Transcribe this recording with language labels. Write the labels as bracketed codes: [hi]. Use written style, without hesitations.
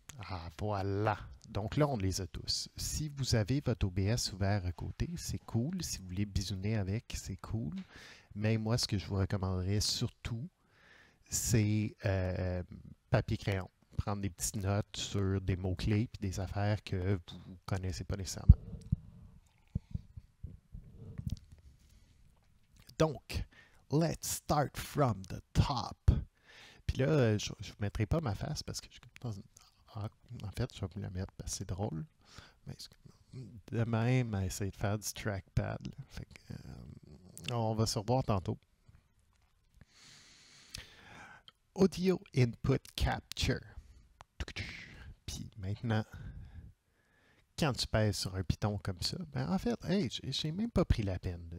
[fr] Ah, voilà! Donc là, on les a tous. Si vous avez votre OBS ouvert à côté, c'est cool. Si vous voulez bisouner avec, c'est cool. Mais moi, ce que je vous recommanderais surtout, c'est papier-crayon. Prendre des petites notes sur des mots-clés et des affaires que vous ne connaissez pas nécessairement. [en] Donc, let's start from the top. [fr] Puis là, je ne vous mettrai pas ma face parce que je suis dans une... En fait, je vais vous la mettre parce que c'est drôle. De même, essayer de faire du trackpad. Fait que, on va se revoir tantôt. Audio input capture. Puis maintenant, quand tu pèses sur un piton comme ça, ben en fait, hey, je n'ai même pas pris la peine de.